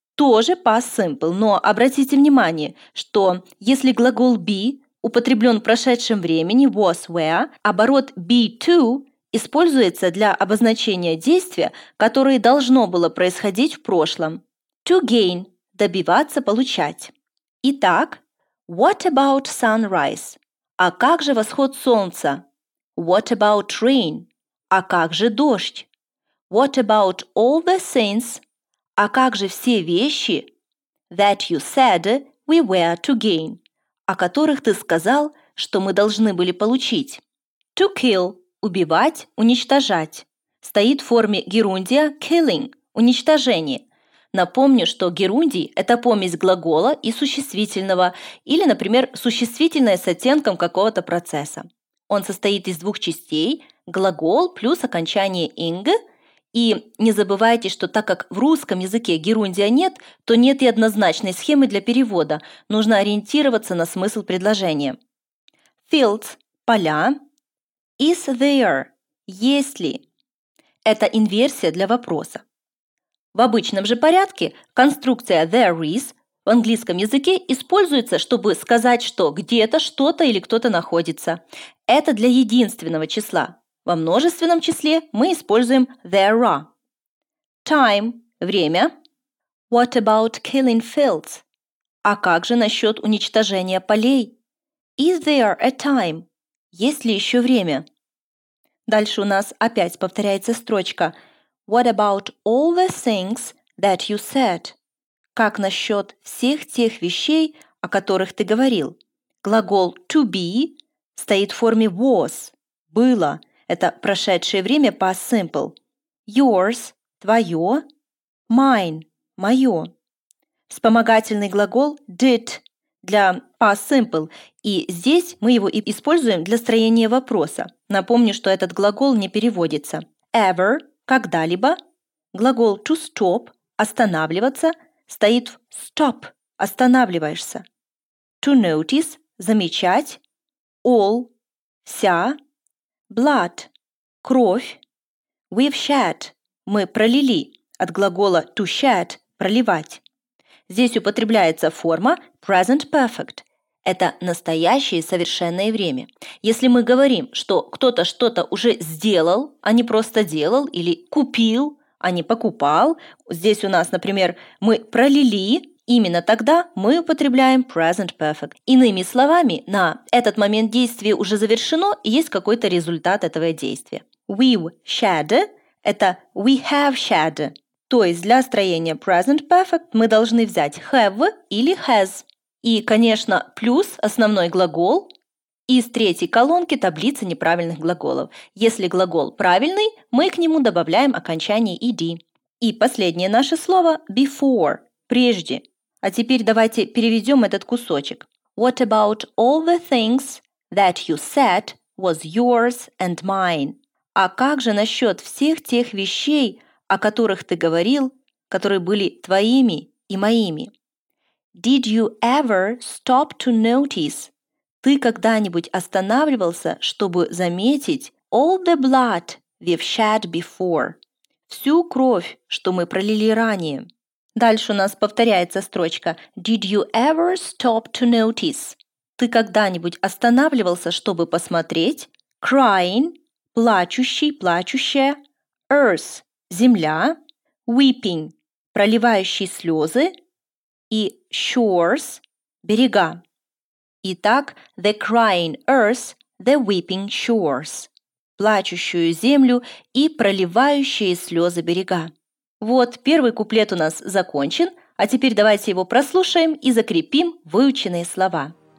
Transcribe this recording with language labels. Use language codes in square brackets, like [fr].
[ru] Тоже past simple, но обратите внимание, что если глагол be употреблен в прошедшем времени was, were, оборот be to используется для обозначения действия, которое должно было происходить в прошлом. To gain – добиваться, получать. [en] Итак, what about sunrise? [ru] А как же восход солнца? [en] What about rain? [ru] А как же дождь? [en] What about all the things? [ru] А как же все вещи? [en] That you said we were to gain. [ru] О которых ты сказал, что мы должны были получить. To kill – убивать, уничтожать. Стоит в форме герундия – killing – уничтожение. Напомню, что герундий – это помесь глагола и существительного, или, например, существительное с оттенком какого-то процесса. Он состоит из двух частей – глагол плюс окончание ing. И не забывайте, что так как в русском языке герундия нет, то нет и однозначной схемы для перевода. Нужно ориентироваться на смысл предложения. Fields – поля. Is there – есть ли? Это инверсия для вопроса. В обычном же порядке конструкция there is в английском языке используется, чтобы сказать, что где-то что-то или кто-то находится. Это для единственного числа. Во множественном числе мы используем there are. Time – время. [en] What about killing fields? [ru] А как же насчет уничтожения полей? [en] Is there a time? [ru] Есть ли еще время? Дальше у нас опять повторяется строчка. [en] What about all the things that you said? [ru] Как насчет всех тех вещей, о которых ты говорил? Глагол to be стоит в форме was – было. Это прошедшее время past simple. Yours – твое. Mine – мое. Вспомогательный глагол did для past simple. И здесь мы его и используем для строения вопроса. Напомню, что этот глагол не переводится. Ever – когда-либо. Глагол to stop – останавливаться. Стоит в stop – останавливаешься. To notice – замечать. All – вся. Blood – кровь. We've shed – мы пролили. От глагола to shed – проливать. Здесь употребляется форма present perfect. Это настоящее совершенное время. Если мы говорим, что кто-то что-то уже сделал, а не просто делал, или купил, а не покупал, здесь у нас, например, мы пролили, именно тогда мы употребляем present perfect. Иными словами, на этот момент действие уже завершено и есть какой-то результат этого действия. We've shed – это we have shed. То есть для строения present perfect мы должны взять have или has. И, конечно, плюс основной глагол из третьей колонки таблицы неправильных глаголов. Если глагол правильный, мы к нему добавляем окончание ed. И последнее наше слово – before – прежде. А теперь давайте переведем этот кусочек. [en] What about all the things that you said was yours and mine? [ru] А как же насчет всех тех вещей, о которых ты говорил, которые были твоими и моими? [en] Did you ever stop to notice? [ru] Ты когда-нибудь останавливался, чтобы заметить [en] all the blood we've shed before? [ru] Всю кровь, что мы пролили ранее. Дальше у нас повторяется строчка [en] «Did you ever stop to notice?» [ru] Ты когда-нибудь останавливался, чтобы посмотреть? Crying – плачущий, плачущая. Earth – земля. Weeping – проливающий слезы. И shores – берега. [en] Итак, the crying earth, the weeping shores. [ru] плачущую землю и проливающие слезы берега. Вот первый куплет у нас закончен, а теперь давайте его прослушаем и закрепим выученные слова.